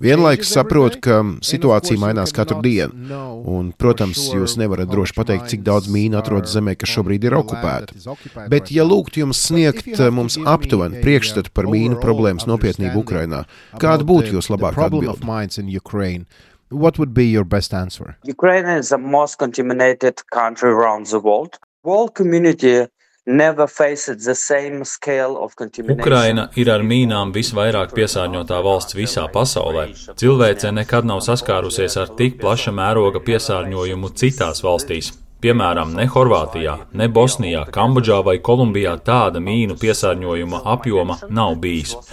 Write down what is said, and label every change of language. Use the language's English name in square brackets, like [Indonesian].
[Latvian] Vienlaikus saprot, ka situācija mainās katru dienu, un, protams, jūs nevarat droši pateikt, cik daudz mīnu atrodas zemē, kas šobrīd ir okupēta. Bet, ja lūgtu jums sniegt mums aptuveni priekšstatu par mīnu problēmas nopietnību Ukrainā, kāda būtu jūs labāk atbilde? [English] What would be your best answer? Ukraine is the most contaminated country around the world. World community never faced the same scale of contamination. [Latvian] Ukraina ir ar mīnām visvairāk piesārņotā valsts visā pasaulē. Cilvēce nekad nav saskārusies ar tik plaša mēroga piesārņojumu citās valstīs. Piemēram, ne Horvātijā, ne Bosnijā, Kambodžā vai Kolumbijā tāda mīnu piesārņojuma apjoma nav bijis.